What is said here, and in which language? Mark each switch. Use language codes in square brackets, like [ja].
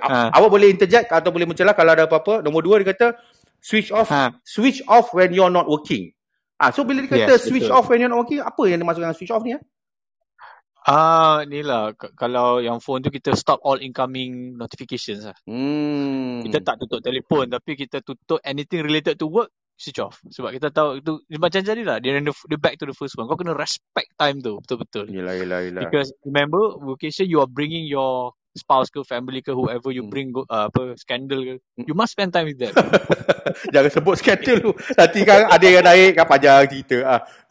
[ms] Awak boleh interject atau boleh mencelah kalau ada apa-apa. Nombor dua, dia kata, [en] switch off when you're not working. [ms] So, bila dia kata [en] switch off when you're not working, [ms] apa yang dimaksudkan dengan switch off ni? Inilah, kalau yang phone tu kita [en] stop all incoming notifications [ms] lah. Kita tak tutup telefon, tapi kita tutup [en] anything related to work, switch off. [ms] Sebab kita tahu itu macam jadi lah, dia [en] back to the first one. [ms] Kau kena respect time tu, betul-betul. Yelah. [en] Because remember, vocation, you are bringing your spouse ke, family ke, whoever you bring, scandal ke. You must spend time with them. [ms] Jangan sebut scandal tu. Nanti kan ada yang naik, kan panjang cerita.